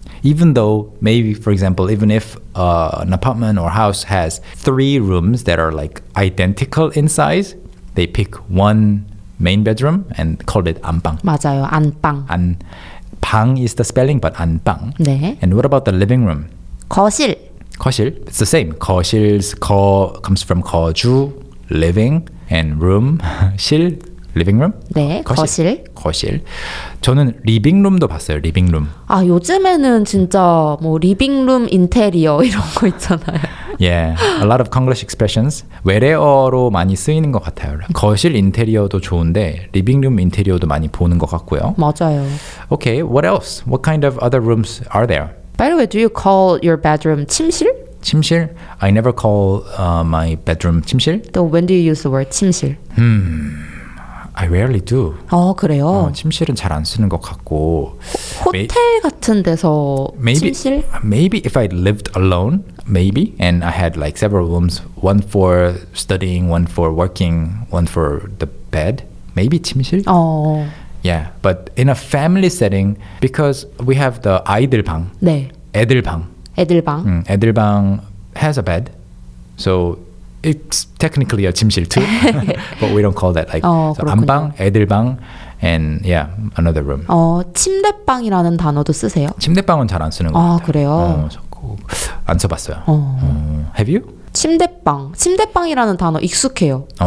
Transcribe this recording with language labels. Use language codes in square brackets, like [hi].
[en] Even though maybe, for example, even if an apartment or house has three rooms that are like identical in size, they pick one main bedroom and call it 안방. [ko] 맞아요, 안방. [en] 방 is the spelling, but 안방. [ko] 네. [en] And what about the living room? [ko] 거실. [en] 거실. It's the same. 거실 comes from 거주, living, and room, 실, living room. [ko] 네, 거실. 거실. 거실. 저는 리빙룸도 봤어요, 리빙룸. 아, 요즘에는 진짜 뭐 리빙룸 인테리어 이런 거 있잖아요. [en] Yeah, a lot of Konglish expressions. [ko] 외래어로 많이 쓰이는 것 같아요. 거실 인테리어도 좋은데 리빙룸 인테리어도 많이 보는 것 같고요. 맞아요. [en] Okay, what else? What kind of other rooms are there? By the way, do you call your bedroom 침실? 침실? I never call my bedroom 침실. So when do you use the word 침실? I rarely do. [ko] 어, 그래요? 침실은 잘 안 쓰는 것 같고. 호텔 같은 데서 [en] maybe, [ko] 침실? [en] Maybe if I lived alone, maybe. And I had like several rooms, one for studying, one for working, one for the bed. Maybe 침실? [ko] 어. [en] Yeah, but in a family setting, because we have the [ko] 아이들 방. 네. 애들 방. 애들 방. [en] 애들 방 has a bed. So it's technically a 침실 too, but we don't call that like 안방, 애들방, and yeah, another room. [ko] 침대방이라는 단어도 쓰세요? 침대방은 잘 안 쓰는 것 같아요. 그래요? 안 써봤어요. [en] Have you? [ko] 침대방. 침대방이라는 단어 익숙해요.